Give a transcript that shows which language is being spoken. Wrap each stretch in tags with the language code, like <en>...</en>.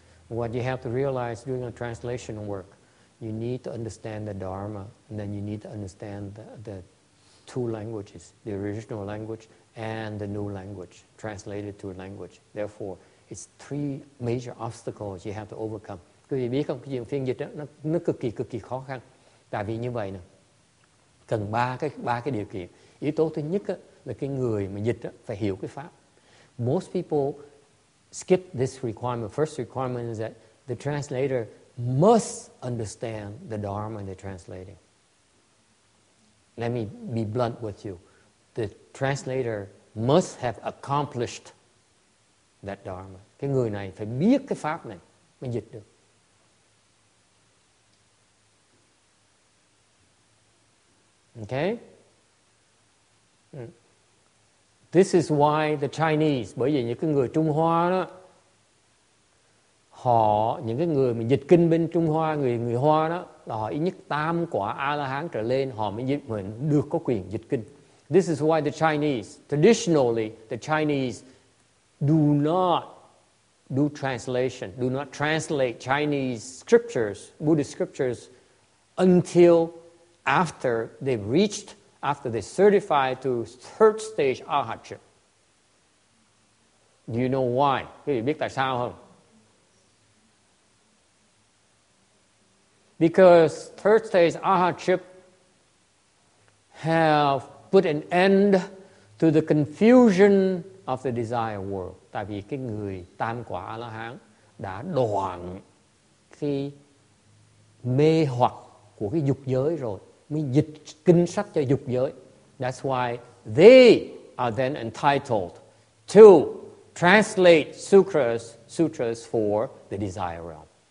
<en>What you have to realize doing a translation work, you need to understand the Dharma, and then you need to understand the two languages, the original language and the new language, translated to a language. Therefore, it's three major obstacles you have to overcome.</en> <vi>Quý vị biết không, cái chuyện phiên dịch đó, nó cực kỳ khó khăn. Tại vì như vậy nè, cần ba cái điều kiện. Yếu tố thứ nhất đó, là cái người mà dịch đó, phải hiểu cái pháp.</vi> <en>Most people skip this requirement. First requirement is that the translator must understand the Dharma they're translating. Let me be blunt with you. The translator must have accomplished that dharma.</en> <vi>Cái người này phải biết cái pháp này mới dịch được.</vi> <en>Okay? This is why the Chinese,</en> <vi>bởi vì những cái người Trung Hoa đó, họ, những cái người mà dịch kinh bên Trung Hoa, người Hoa đó, là họ ít nhất tam quả A-la-hán trở lên, họ mới dịch, được có quyền dịch kinh.</vi> <en>This is why the Chinese, traditionally, the Chinese do not do translation, do not translate Chinese scriptures, Buddhist scriptures, until after they've reached, after they certified to third stage arhatship. Do you know why?</en> <vi>Quý vị biết tại sao không?</vi> <en>Because third stage arhatship have put an end to the confusion of the desire world.</en> <vi>Tại vì cái người tam quả A-la-hán đã đoạn cái mê hoặc của cái dục giới rồi, mới dịch kinh sách cho dục giới.</vi> <en>That's why they are then entitled to translate sutras for the desire realm.</en>